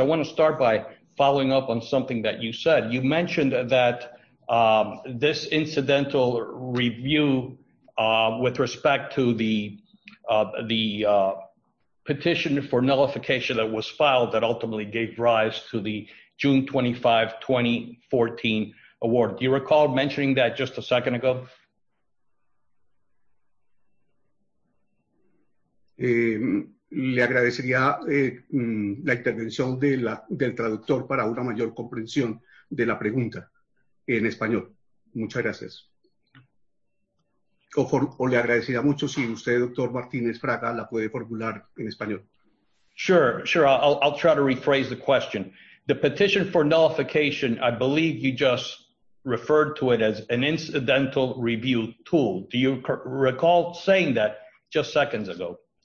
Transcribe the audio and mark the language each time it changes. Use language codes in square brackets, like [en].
[en] I want to start by following up on something that you said. You mentioned that this incidental review with respect to the petition for nullification that was filed that ultimately gave rise to the June 25, 2014 award. Do you recall mentioning that just a second ago? [es] Le agradecería la intervención del traductor para una mayor comprensión de la pregunta en español. Muchas gracias. O le agradecería mucho si usted, doctor Martínez Fraga, la puede formular en español. [en] Sure. I'll try to rephrase the question. The petition for nullification, I believe you just referred to it as an incidental review tool. Do you recall saying that just seconds ago?